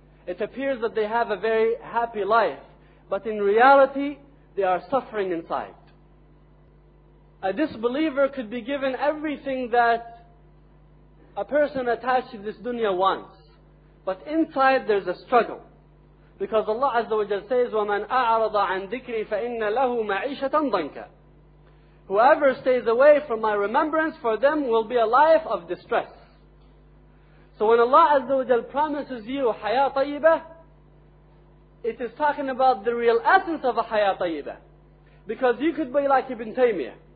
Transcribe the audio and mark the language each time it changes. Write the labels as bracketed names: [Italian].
[English] It appears that they have a very happy life. But in reality, they are suffering inside. A disbeliever could be given everything that a person attached to this dunya wants. But inside, there's a struggle. Because Allah Azza wa Jal says, [Arabic] وَمَنْ أَعْرَضَ عَنْ ذِكْرِي فَإِنَّ لَهُ مَعِيشَةً ضَنْكًا. [English] Whoever stays away from my remembrance, for them will be a life of distress. So when Allah Azza wa Jal promises you haya tayyiba, it is talking about the real essence of a haya tayyiba. Because you could be like Ibn Taymiyyah.